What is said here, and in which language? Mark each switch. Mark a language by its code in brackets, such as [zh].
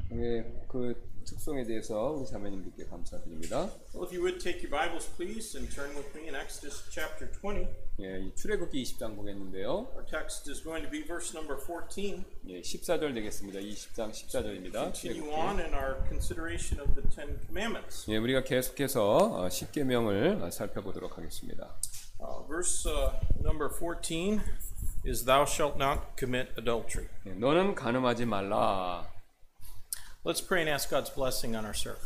[ko] 예, 그 특성에 대해서 우리 자매님들께 감사드립니다. [en] Well, if you would take your Bibles, please, and turn with me in Exodus chapter 20. [ko] 예, 출애굽기 20장 보겠는데요. [en] Our text is going to be verse number 14. [ko] 예, 14절 되겠습니다. 20장 14절입니다. [en] So continue 출애굽기. on in our consideration of the Ten Commandments. [ko] 예, 우리가 계속해서 십계명을 살펴보도록 하겠습니다. [en] Verse number 14 is Thou shalt not commit adultery. [ko] 예, 너는 간음하지 말라. [en] Let's pray and ask God's blessing on our service.